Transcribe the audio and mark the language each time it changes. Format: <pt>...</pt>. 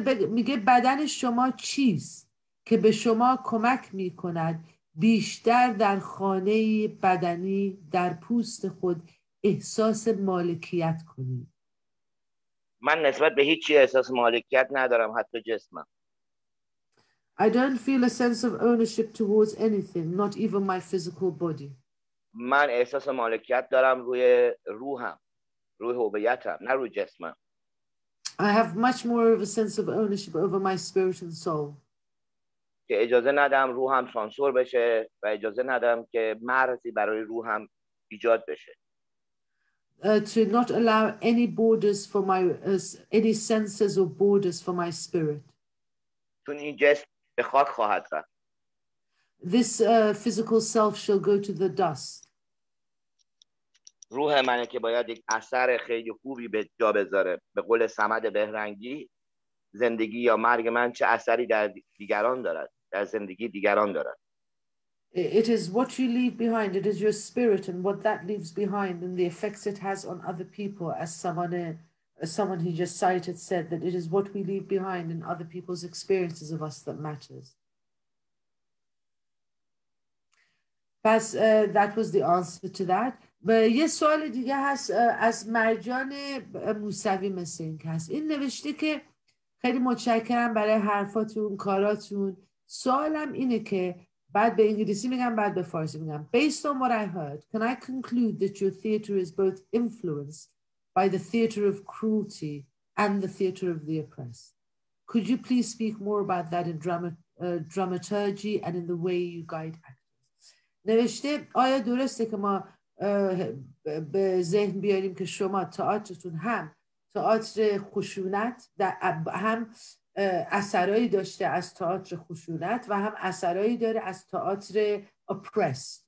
<fa>میگه بدن شما چیست که به شما کمک میکند بیشتر در خانه بدنی در پوست خود احساس مالکیت کنید؟ من نسبت به هیچی احساس مالکیت ندارم، حتی جسمم.</fa> <en>I don't feel a sense of ownership towards anything, not even my physical body.</en> <fa>من احساس مالکیت دارم روی روحم، روی هویتم، نه روی جسمم.</fa> <en>I have much more of a sense of ownership over my spirit and soul.</en> <fa>که اجازه ندم روحم سانسور بشه و اجازه ندم که مرزی برای روحم ایجاد بشه.</fa> <en>To not allow any borders for my any senses or borders for my spirit.</en> <fa>چون این جسم به خاک خواهد رفت.</fa> <en>This physical self shall go to the dust.</en> <fa>روح منه که باید یک اثر خیلی خوبی به جا بذاره. به قول صمد بهرنگی، زندگی یا مرگ من چه اثری در دیگران دارد، در زندگی دیگران دارد.</fa> <en>It is what you leave behind, it is your spirit and what that leaves behind and the effects it has on other people, as someone he just cited said that it is what we leave behind and other people's experiences of us that matters.</en> <fa>پس</fa> <en>that was the answer to that.</en> <fa>و یه سوال دیگه هست از مرجان موسوی مسینک هست. این نوشته که خیلی متشکرم برای حرفاتون، کاراتون. سوالم اینه که با بعد به انگلیسی میگم بعد به فارسی میگم.</fa> <en>Based on what I heard, can I conclude that your theater is both influenced by the theater of cruelty and the theater of the oppressed? Could you please speak more about that in dramaturgy and in the way you guide actors?</en> <fa>نوشته آیا درسته که ما به ذهن بیاریم که شما تئاترتون هم تئاتر خشونت در هم اثرایی داشته از تئاتر خشونت و هم اثرایی داره از تئاتر اپرس.</fa>